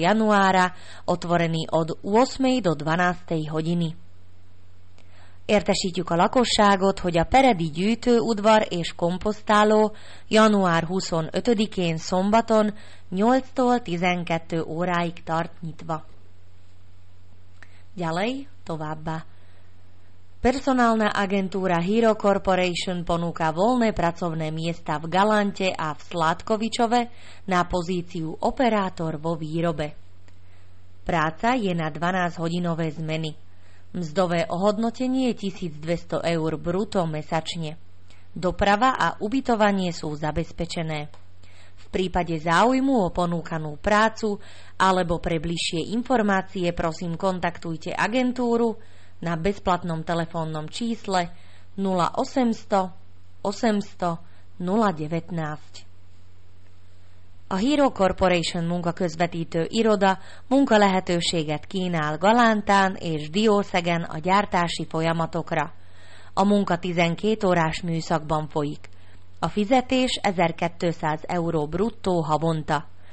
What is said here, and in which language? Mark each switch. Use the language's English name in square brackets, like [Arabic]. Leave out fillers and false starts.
[Slovak] januára otvorený od 8. do 12. hodiny. [Hungarian] Értesítjük a lakosságot, hogy a Peredi gyűjtőudvar és komposztáló január 25-én szombaton 8-tól 12 óráig tart nyitva. Gyalej, továbbá! [Slovak] Personálna agentúra Hero Corporation ponúka voľné pracovné miesta v Galante a v Sládkovičove na pozíciu operátor vo výrobe. Práca je na 12-hodinové zmeny. Mzdové ohodnotenie je 1200 eur bruto mesačne. Doprava a ubytovanie sú zabezpečené. V prípade záujmu o ponúkanú prácu alebo pre bližšie informácie prosím kontaktujte agentúru na bezplatnom telefónnom čísle 0800 800 019. [Hungarian] A Hero Corporation munkaközvetítő iroda munkalehetőséget kínál Galántán és Diószegen a gyártási folyamatokra. A munka 12 órás műszakban folyik. A fizetés 1200 euró bruttó havonta.